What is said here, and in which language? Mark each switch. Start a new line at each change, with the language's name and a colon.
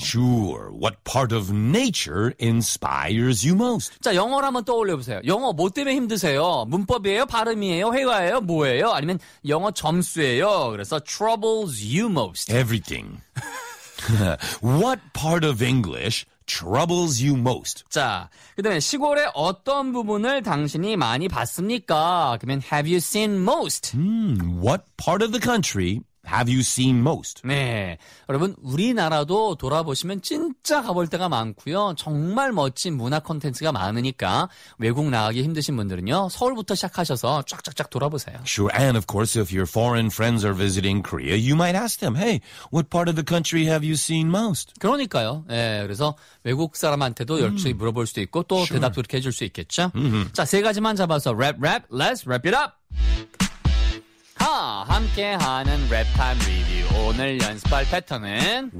English: Sure. What part of nature inspires you most?
Korean: 자 영어를 한번 떠올려보세요. 영어 뭐 때문에 힘드세요? 문법이에요? 발음이에요? 회화예요? 뭐예요? 아니면 영어 점수예요? 그래서
English: troubles you most. Everything. What part of English troubles you most?
Korean: 자, 그 다음에 시골의 어떤 부분을 당신이 많이 봤습니까? 그러면
English: have you seen most? What part of the country have you seen most?
Korean: 네, 여러분 우리나라도 돌아보시면 진짜 가볼 데가 많고요. 정말 멋진 문화 콘텐츠가 많으니까 외국 나가기 힘드신 분들은요. 서울부터 시작하셔서 쫙쫙쫙 돌아보세요.
English: Sure, and of course if your foreign friends are visiting Korea, you might ask them, hey, what part of the country have you seen most?
Korean: 그러니까요. 네, 그래서 외국 사람한테도 열심히 물어볼 수도 있고 또 sure. 대답도 이렇게 해줄 수 있겠죠. Mm-hmm. 자, 세 가지만 잡아서 랩, 랩,
English: let's wrap it up!
Korean: 함께하는 랩타임 리뷰 오늘 연습할 패턴은